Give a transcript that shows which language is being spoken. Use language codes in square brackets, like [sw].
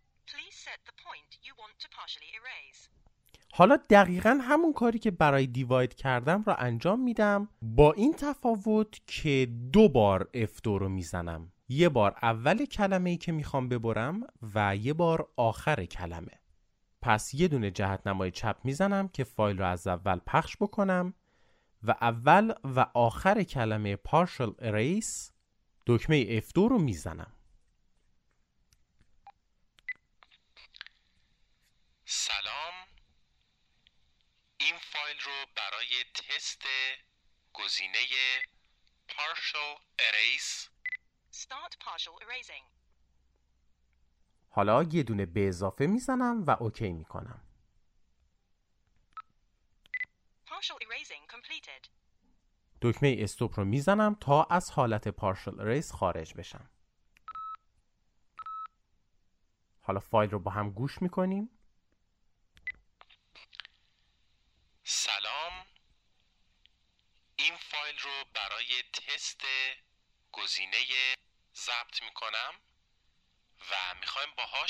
[en] Please set the point you want to partially erase. [fa] حالا دقیقاً همون کاری که برای دیواید کردم را انجام میدم، با این تفاوت که دو بار F2 رو میزنم. یه بار اول کلمه‌ای که میخوام ببرم و یه بار آخر کلمه. پس یه دونه جهت نمای چپ میزنم که فایل رو از اول پخش بکنم و اول و آخر کلمه partial erase دکمه F2 رو میزنم. سلام، این فایل رو برای تست گزینه partial erase [en] Start partial erasing. [fa] حالا یه دونه به اضافه میزنم و اوکی میکنم. [en] Partial erasing completed. [fa] دکمه استوپ رو میزنم تا از حالت partial erase خارج بشم. حالا فایل رو با هم گوش میکنیم. سلام، این فایل رو برای تست گزینه ضبط میکنم و میخوایم باهاش